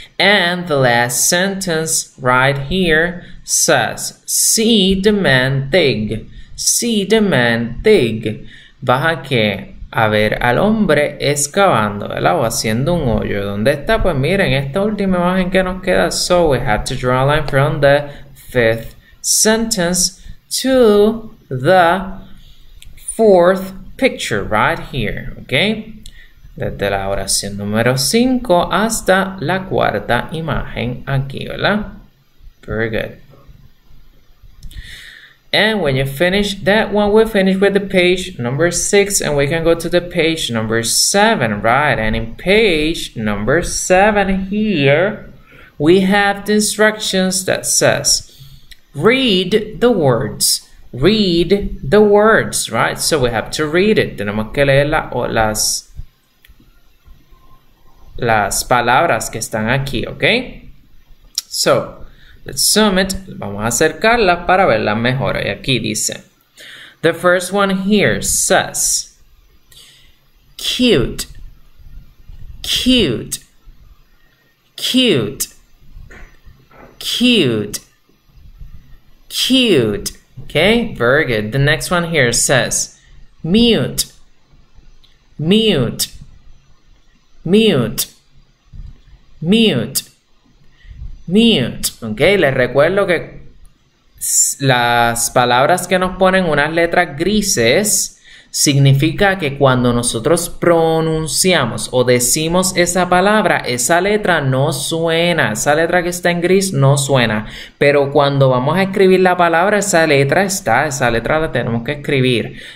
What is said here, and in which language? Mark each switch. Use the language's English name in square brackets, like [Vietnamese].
[English] And the last sentence right here says, see the man dig. See the man dig. [Spanish] ¿Vas a qué? A ver al hombre excavando, ¿verdad? O haciendo un hoyo. ¿Dónde está? Pues miren, esta última imagen que nos queda. [English] So we have to draw a line from the fifth sentence to the fourth picture, right here, ¿ok? [Spanish] Desde la oración número 5 hasta la cuarta imagen aquí, ¿verdad? [English] Very good. And when you finish that one, we'll finish with the page number 6, and we can go to the page number 7, right? And in page number 7 here, we have the instructions that says, read the words. Read the words, right? So we have to read it. [Spanish] Tenemos que leer las palabras que están aquí, okay? [English] So let's zoom it. [Spanish] Vamos a acercarla para verla mejor. Y aquí dice, [English] the first one here says, cute, cute, cute, cute, cute. Okay, very good. The next one here says, mute, mute, mute, mute. [Spanish] Mute, ok, les recuerdo que las palabras que nos ponen unas letras grises significa que cuando nosotros pronunciamos o decimos esa palabra, esa letra no suena, esa letra que está en gris no suena, pero cuando vamos a escribir la palabra, esa letra está, esa letra la tenemos que escribir.